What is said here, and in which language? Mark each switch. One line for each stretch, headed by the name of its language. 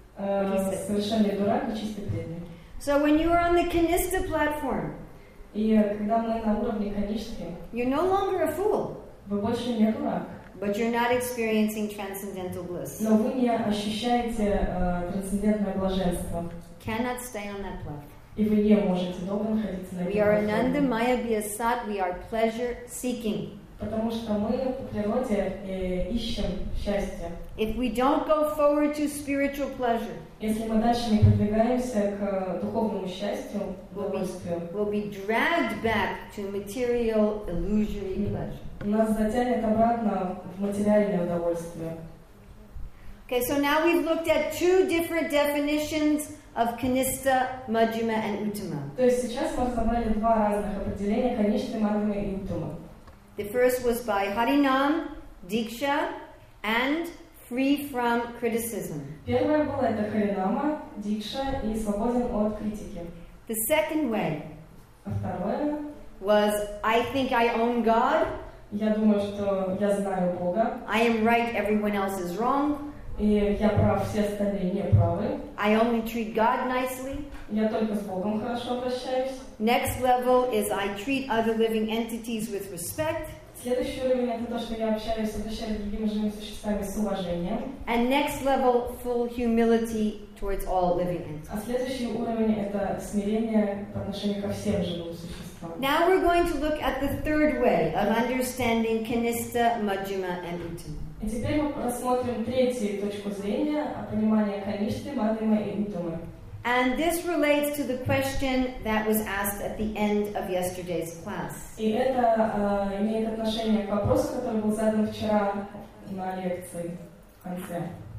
Russian: Совершенный дурак и чистый преданный.
English: So when you are on the Kanista platform,
Russian: и когда мы на уровне конечности,
English: you're no longer a fool.
Russian: Вы больше не дурак.
English: But you're not experiencing transcendental bliss.
Russian: Но вы не ощущаете трансцендентное блаженство.
English: Cannot stay on that platform.
Russian: И вы не можете долго находиться на этом.
English: We are
Sanskrit: ananda maya biasat.
English: We are pleasure seeking.
Russian: Потому что мы по природе ищем счастье.
English: If we don't go forward to spiritual pleasure,
Russian: если мы дальше не продвигаемся к духовному счастью,
English: we'll be dragged back to material illusory pleasure.
Russian: Нас затянет обратно в материальное удовольствие.
English: Okay, so now we've looked at two different definitions of Kanista, Madhyama, and Uttama.
Russian: То есть сейчас мы разобрали два разных определения Каништы, Мадхьямы и Уттамы.
English: The first was by Harinam, Diksha, and free from criticism.
Russian: Первое было это Харинама, Дикша и свободен от критики.
English: The second way.
Russian: А второе
English: was I think I own God.
Russian: Я думаю, что я знаю Бога.
English: I am right, everyone else is wrong.
Russian: И я прав, все остальные не правы.
English: I only treat God nicely.
Russian: Я только с Богом хорошо обращаюсь.
English: Next level is I treat other living entities with respect.
Russian: Следующий уровень это то, что я общаюсь, обращаюсь с другими живыми существами с уважением.
English: And next level, full humility towards all living entities.
Russian: А следующий уровень это смирение по отношению ко всем живым существам.
English: Now we're going to look at the third way of understanding Kanista, Madhyama, and Uttama.
Russian: И теперь мы рассмотрим третью точку зрения о понимании Каништы, Мадхьямы и Уттамы.
English: And this relates to the question that was asked at the end of yesterday's class.
Russian: И это имеет отношение к вопросу, который был задан вчера на лекции в конце.